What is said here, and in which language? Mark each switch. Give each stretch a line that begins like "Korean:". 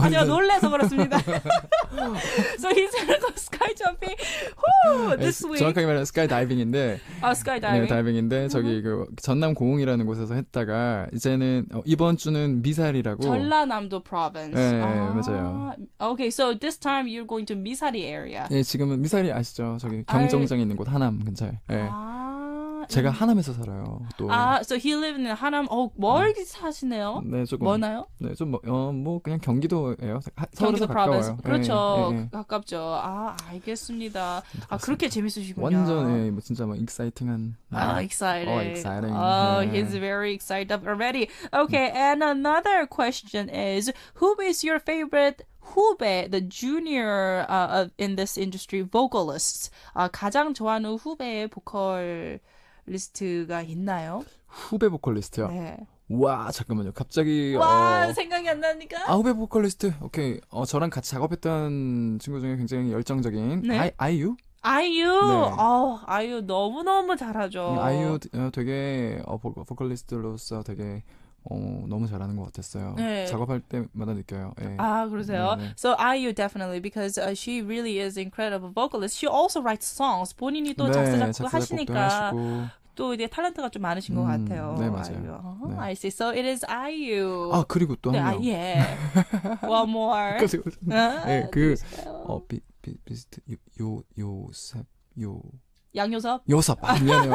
Korean: 아니요, 놀라서 그렇습니다.
English: So he's gonna go sky jumping. This week.
Korean: 정확하게 말하면 sky diving인데. 아, sky diving. 네, diving인데 저기 그 전남 공흥이라는 곳에서 했다가 이제는 이번 주는 미사리라고.
English: 전라남도 province.
Korean: 네, 맞아요.
English: Okay, so this time you're going to 미사리 area.
Korean: 네, 지금은 미사리 아시죠? 저기 경정장 있는 곳 하남 근처에. 아. 제가 하남에서 살아요. 또.
English: 아, so he lives in 하남.
Korean: 어, 멀리 사시네요. 네, 조금. 멀나요? 네, 좀 그냥 경기도예요. 경기도
English: province.
Korean: 그렇죠. 네, 네. 가깝죠. 아, 알겠습니다. 그렇습니다. 아, 그렇게 재밌으시군요. 완전히 뭐 진짜 막 exciting한. 아, excited. 어, exciting.
English: Oh, he's very excited already. Okay, and another question is, who is your favorite? Hube, the junior in this industry, vocalists.
Korean: 가장 좋아하는 후배 보컬리스트가 있나요? 후배 보컬리스트요? 네. 와, 잠깐만요. 갑자기... 와, 어... 생각이 안 나니까? 아, 후배 보컬리스트. 오케이. 저랑 같이 작업했던 친구 중에 굉장히 열정적인 네. 아이유? 아이유! 네. 아이유 너무너무 잘하죠. 아이유 되게 보컬리스트로서 되게... 너무 잘하는 것 같았어요. 네. 작업할 때마다 느껴요. 네. 아, 그러세요?
English: 네, 네. So, IU definitely, because she really is incredible vocalist. She also writes songs.
Korean: 본인이 또 네, 작사 작곡 하시니까. 하시고. 또 이제 탤런트가 좀 많으신 것 같아요. 네, 맞아요. 아이유.
English: Oh, 네. I see. So it is IU.
Korean: 아, 그리고 또 한 명.
English: 네, 예. One more.
Korean: 그, 네, 그 어, 비스트 요셉 요. 양요섭? 요섭. 아, 미안해요.